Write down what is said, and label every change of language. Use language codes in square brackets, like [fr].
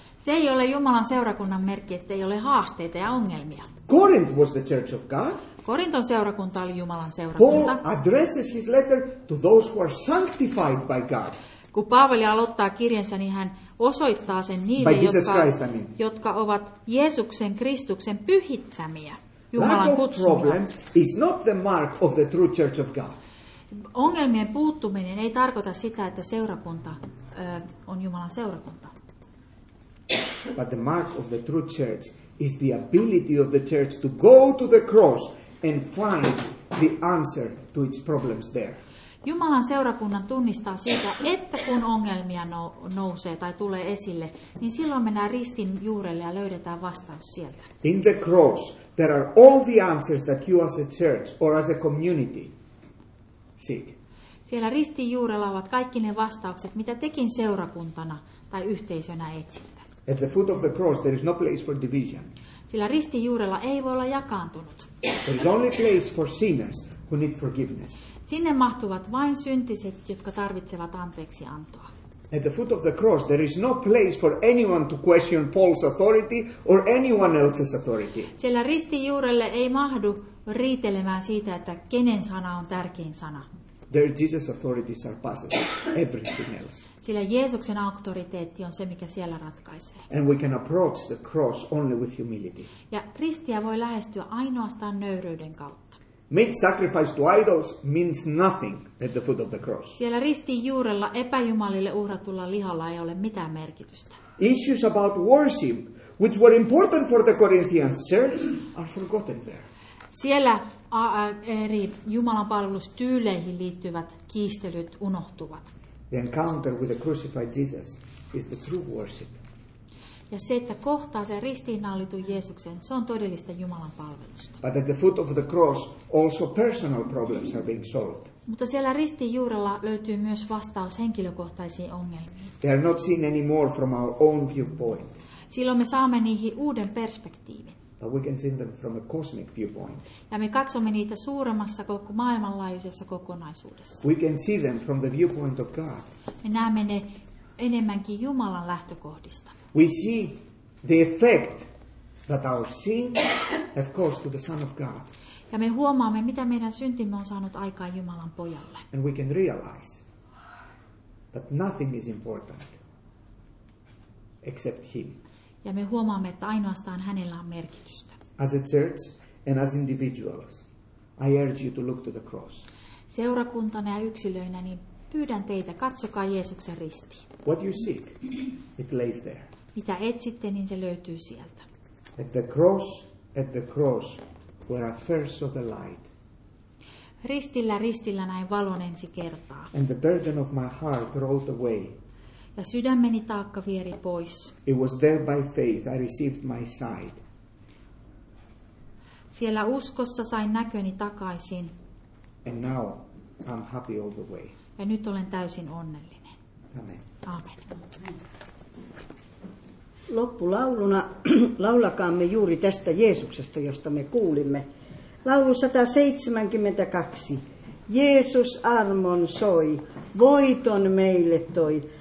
[fi] Se ei ole Jumalan seurakunnan merkki, että ei ole haasteita ja ongelmia. [en] Corinth was the church of God. [fi] Korinton seurakunta oli Jumalan seurakunta. [en] Paul addresses his letter to those who are sanctified by God. [fi] Kun Paavali aloittaa kirjansa, niin hän osoittaa sen niille, jotka ovat Jeesuksen Kristuksen pyhittämiä, Jumalan kutsumia. [en] Lack of problem is not the mark of the true church of God. [fi] Ongelmien puuttuminen ei tarkoita sitä, että seurakunta on Jumalan seurakunta. [en] But the mark of the true church is the ability of the church to go to the cross and find the answer to its problems there. [fi] Jumalan seurakunnan tunnistaa siitä, että kun ongelmia nousee tai tulee esille, niin silloin mennään ristin juurelle ja löydetään vastaus sieltä. [en] In the cross, there are all the answers that you as a church or as a community seek. [fi] Siellä ristin juurella ovat kaikki ne vastaukset, mitä tekin seurakuntana tai yhteisönä etsitte. [en] At the foot of the cross, there is no place for division. [fi] Sillä ristin juurella ei voi olla jakaantunut. [en] There is only place for sinners who need forgiveness. [fi] Sinne mahtuvat vain syntiset, jotka tarvitsevat anteeksiantoa. [en] At the foot of the cross, there is no place for anyone to question Paul's authority or anyone else's authority. [fi] Siellä ristin juurelle ei mahdu riitelemään siitä, että kenen sana on tärkein sana. [en] There Jesus' authority surpasses everything else. [fi] Sillä Jeesuksen auktoriteetti on se, mikä siellä ratkaisee. [en] And we can approach the cross only with humility. [fi] Ja ristiä voi lähestyä ainoastaan nöyryyden kautta. [en] Make sacrifice to idols means nothing at the foot of the cross. [fi] Siellä ristin juurella epäjumalille uhratulla lihalla ei ole mitään merkitystä. [en] Issues about worship, which were important for the Corinthian church, are forgotten there. [fi] Siellä eri Jumalan palvelustyyleihin liittyvät kiistelyt unohtuvat. [en] The encounter with the crucified Jesus is the true worship. [fi] Ja se, että kohtaa sen ristiinnaulitun Jeesuksen, se on todellista Jumalan palvelusta. [en] But at the foot of the cross, also personal problems are being solved. [fi] Mutta siellä ristin juurella löytyy myös vastaus henkilökohtaisiin ongelmiin. [en] They are not seen anymore from our own viewpoint. [fi] Silloin me saamme niihin uuden perspektiivin. [en] But we can see them from a cosmic viewpoint. [fi] Ja me katsomme niitä suuremmassa koko maailmanlaajuisessa kokonaisuudessa. [en] We can see them from the viewpoint of God. [fi] Me näemme ne enemmänkin Jumalan lähtökohdista. [en] We see the effect that our sins have caused to the Son of God. [fi] Ja me huomaamme, mitä meidän syntimme on saanut aikaan Jumalan pojalle. [en] And we can realize that nothing is important except Him. [fi] Ja me huomaamme, että ainoastaan hänellä on merkitystä. [en] As a church and as individuals, I urge you to look to the cross. [fi] Seurakuntana ja yksilöinä, niin pyydän teitä, katsokaa Jeesuksen risti. [en] What you seek, it lays there. [fi] Mitä etsitte, niin se löytyy sieltä. [en] At the cross, where I first saw the light. [fi] Ristillä, ristillä näin valon ensi kertaa. [en] And the burden of my heart rolled away. [fi] Ja sydämeni taakka vieri pois. [en] It was there by faith I received my sight. [fi] Siellä uskossa sain näköni takaisin. [en] And now I'm happy all the way. [fi] Ja nyt olen täysin onnellinen. [en] Amen. [fi] Amen. Loppulauluna laulakaamme juuri tästä Jeesuksesta, josta me kuulimme. Laulu 172. Jeesus armon soi, voiton meille toi.